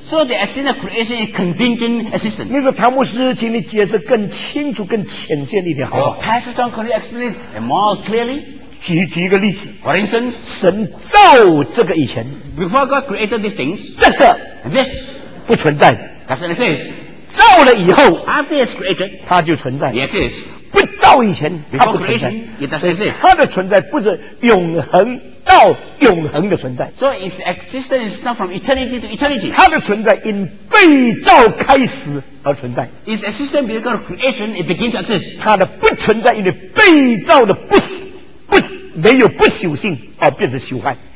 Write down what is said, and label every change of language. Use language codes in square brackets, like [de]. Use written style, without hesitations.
[en] So the existence of creation is contingent existence. [zh] 那个唐牧师，请你解释更清楚、更浅显一点，好不好 [en] ？Pastor John, could you explain it more clearly? [zh] 举一个例子。 [en] For instance, [zh] 神造这个以前 [en] ，before God created these things, [zh] 这个 [en] this [zh] 不存在的。 [en] Doesn't exist. [zh] 造了以后 [en] ，after it's created, [zh] 它就存在。 [en] Yes, it is. [zh] 不到以前它不存在，它的存在不是永恒到永恒的存在。 [en] So its existence is not from eternity to eternity. [zh] 它的存在因被造开始而存在。 [en] Its existence because of creation it begins to exist. [zh] 它的不存在因为被造的不没有不朽性而变成朽坏。